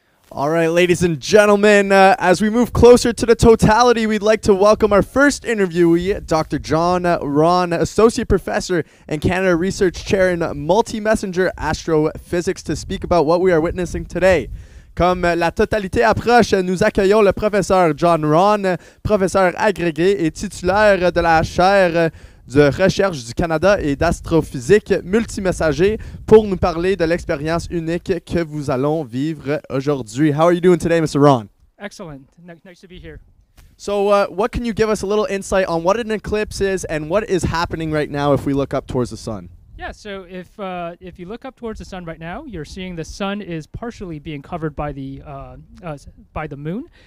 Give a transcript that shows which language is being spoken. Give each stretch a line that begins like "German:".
English: All right, ladies and gentlemen, as we move closer to the totality, we'd like to welcome our first interviewee, Dr. John Ron, Associate Professor and Canada Research Chair in Multi-Messenger Astrophysics, to speak about what we are witnessing today.
French: Comme la totalité approche, nous accueillons le professeur John Ron, professeur agrégé et titulaire de la chaire de recherche du Canada et d'astrophysique multimessager pour nous parler de l'expérience unique que vous allons vivre aujourd'hui.
English: How are you doing today, Mr. Ron? Excellent. Nice to be here. So what can you give us a little insight on what an eclipse is and what is happening right now if we look up towards the sun? Yeah, so if you look up towards the sun right now, you're seeing the sun is partially being covered by the moon.